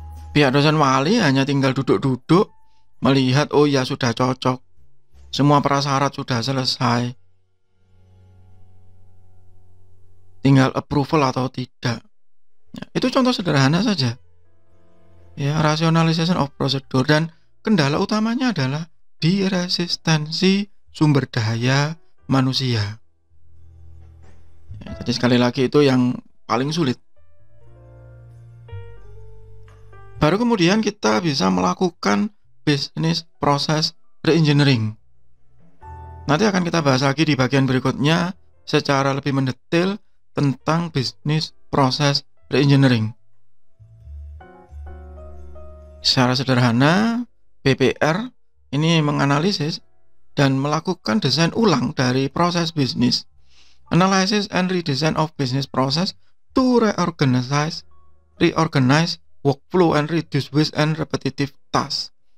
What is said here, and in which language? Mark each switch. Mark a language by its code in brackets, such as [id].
[id] Pihak dosen wali hanya tinggal duduk-duduk, melihat, oh ya sudah cocok, semua prasyarat sudah selesai, tinggal approval atau tidak. Ya, itu contoh sederhana saja. [en] Ya, rationalization of procedure. [id] Dan kendala utamanya adalah di resistensi sumber daya manusia. Ya, jadi sekali lagi itu yang paling sulit. Baru kemudian kita bisa melakukan business process reengineering. Nanti akan kita bahas lagi di bagian berikutnya secara lebih mendetail tentang business process reengineering. Secara sederhana, BPR ini menganalisis dan melakukan desain ulang dari proses bisnis. [en] Analysis and redesign of business process to reorganize workflow and reduce waste and repetitive tasks.